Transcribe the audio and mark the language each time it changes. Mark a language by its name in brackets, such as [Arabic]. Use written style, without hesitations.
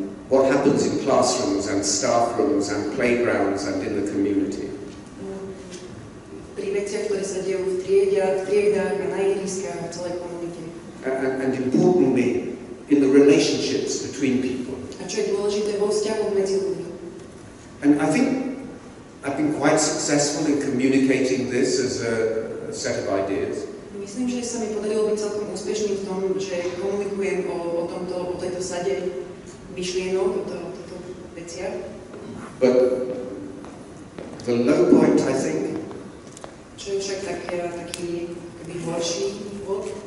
[English] What happens in classrooms and staff rooms and playgrounds and in the community. [Slovak] Pri veciach, ktoré sa dejú v triedách a na ihriskách a celej komunite. [English] And importantly, in the relationships between people. [Slovak] A čo je dôležité, vo vzťahoch medzi ľuďmi. [English] And I think I've been quite successful in communicating this as a set of ideas. [Slovak] Myslím, že sa mi podarilo byť celkom úspešný v tom, že komunikujem o tomto, o tejto sade myšlienok, o tejto veciach. [English] But the low point, I think, [Slovak] čo je však taký akoby horší bod,